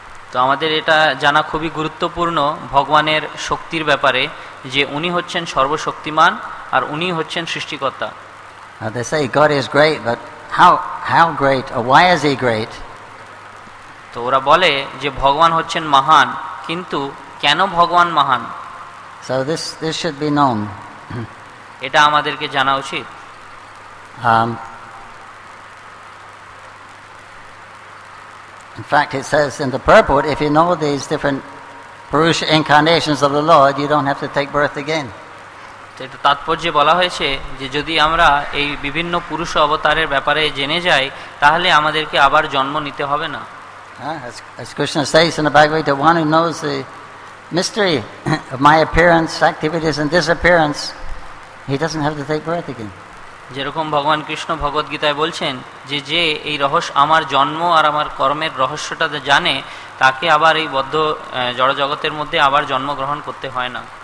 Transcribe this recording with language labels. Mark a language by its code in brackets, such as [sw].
[bn] তো আমাদের এটা জানা খুবই গুরুত্বপূর্ণ ভগবানের শক্তির ব্যাপারে, যে উনি হচ্ছেন সর্বশক্তিমান আর উনি হচ্ছেন সৃষ্টিকর্তা। [en] They say God is great, but how great or why is he great? [bn] তো ওরা বলে যে ভগবান হচ্ছেন মহান, কিন্তু কেন ভগবান মহান? [en] So this should be known. [bn] এটা আমাদেরকে জানা উচিত। [en] In fact, it says in the purport, if you know these different Purusha incarnations of the Lord, you don't have to take birth again. [bn] এটা তাৎপর্যে বলা হয়েছে যে যদি আমরা এই বিভিন্ন পুরুষ অবতারের ব্যাপারে জেনে যাই, তাহলে আমাদেরকে আবার জন্ম নিতে হবে না। [en] As Krishna says in the Bhagavad Gita, one who knows the mystery of my appearance, activities and disappearance, he doesn't have to take birth again. [bn] যেরকম ভগবান কৃষ্ণ ভগবদ গীতায় বলছেন যে যে এই রহস্য, আমার জন্ম আর আমার কর্মের রহস্যটা জানে, তাকে আবার এই বদ্ধ জড় জগতের মধ্যে আবার জন্ম গ্রহণ করতে হয় না।